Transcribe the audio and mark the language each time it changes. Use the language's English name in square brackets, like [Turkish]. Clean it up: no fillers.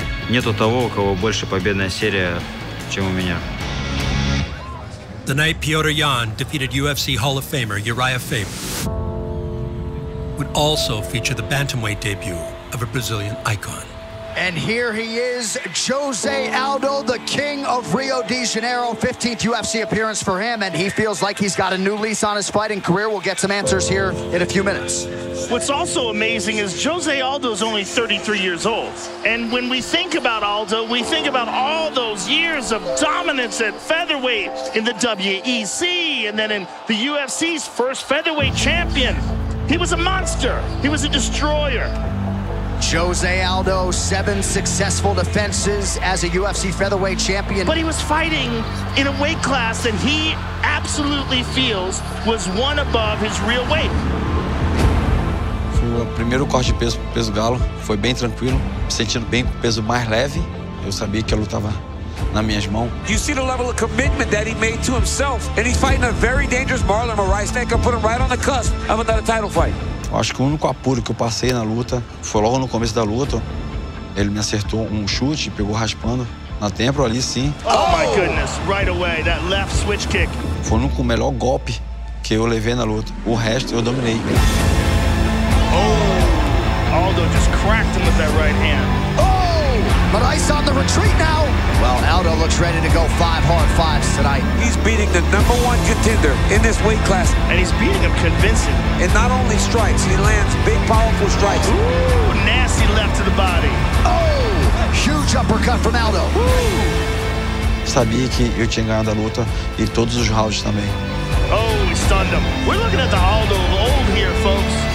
[Russian] Нету того, у кого больше победная серия, чем у меня. [English] The night Petr Yan defeated UFC Hall of Famer Uriah Faber would also feature the bantamweight debut of a Brazilian icon. And here he is, Jose Aldo, the king of Rio de Janeiro. 15th UFC appearance for him, and he feels like he's got a new lease on his fighting career. We'll get some answers here in a few minutes. What's also amazing is Jose Aldo is only 33 years old. And when we think about Aldo, we think about all those years of dominance at featherweight in the WEC, and then in the UFC's first featherweight champion. He was a monster. He was a destroyer. Jose Aldo, 7 successful defenses as a UFC featherweight champion. But he was fighting in a weight class that he absolutely feels was one above his real weight. [Portuguese] O primeiro corte de peso, peso galo, foi bem tranquilo, sentindo bem com peso mais leve. Eu sabia que a luta tava na minhas mãos. [English] You see the level of commitment that he made to himself, and he's fighting a very dangerous Marlon Moraes that could put him right on the cusp of another title fight. [Portuguese] Acho que o único apuro que eu passei na luta foi logo no começo da luta. Ele me acertou um chute, pegou raspando na têmpora ali, sim. [English] Oh my goodness, right away, that left switch kick. [Portuguese] Foi o melhor golpe que eu levei na luta. O resto eu dominei. [English] Oh, Aldo just cracked him with that right hand. Oh, but Ice on the retreat now. Well, Aldo looks ready to go five hard fives tonight. He's beating the number one contender in this weight class. And he's beating him convincingly. And not only strikes, he lands big, powerful strikes. Ooh, nasty left to the body. Oh, huge uppercut from Aldo. Ooh. [Portuguese] Sabia que eu tinha ganhado a luta e todos os rounds também. [English] Oh, he stunned him. We're looking at the Aldo of old here, folks.